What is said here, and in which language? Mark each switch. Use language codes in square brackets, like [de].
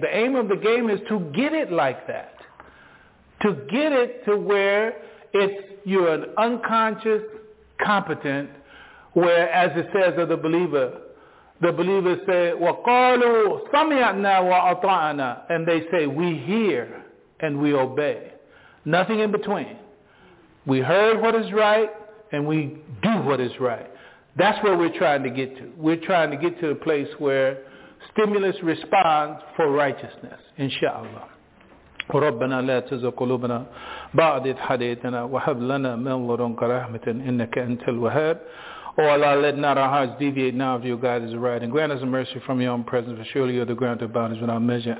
[en] The aim of the game is to get it like that. To get it to where it's you're an unconscious competent, where, as it says of the believers say, [ar] وَقَالُوا سَمِعْنَا وَأَطَعْنَا, [en] and they say, we hear and we obey. Nothing in between. We heard what is right and we do what is right. That's where we're trying to get to. We're trying to get to a place where stimulus responds for righteousness, inshallah. [ar] ربنا لا تزغ قلوبنا بعد إذ هديتنا وهب لنا من لدنك رحمة إنك أنت الوهاب. [en] Oh Allah, let not our hearts deviate now of your guidance right, and grant us a mercy from your own presence, for surely you are the grant of bounties without measure.